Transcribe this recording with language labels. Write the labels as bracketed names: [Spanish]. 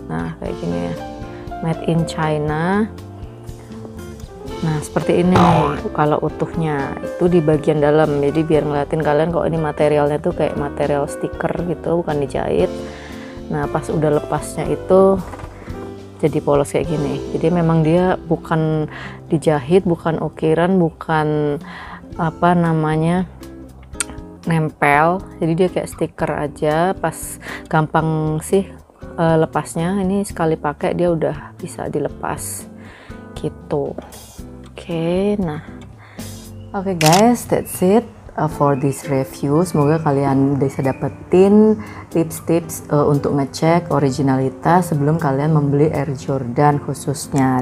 [Indonesian] Nah kayak gini ya, [English] made in China. [Indonesian] Nah seperti ini kalau utuhnya, itu di bagian dalam. Jadi biar ngeliatin kalian kalau ini materialnya tuh kayak material stiker gitu, bukan dijahit. Nah pas udah lepasnya itu jadi polos kayak gini. Jadi memang dia bukan dijahit, bukan ukiran, bukan apa namanya nempel, jadi dia kayak stiker aja. Pas gampang sih lepasnya, ini sekali pakai dia udah bisa dilepas gitu. [English] Oke, nah oke guys, that's it for this review. [Indonesian] Semoga kalian bisa dapetin tips-tips untuk ngecek originalitas sebelum kalian membeli Air Jordan khususnya.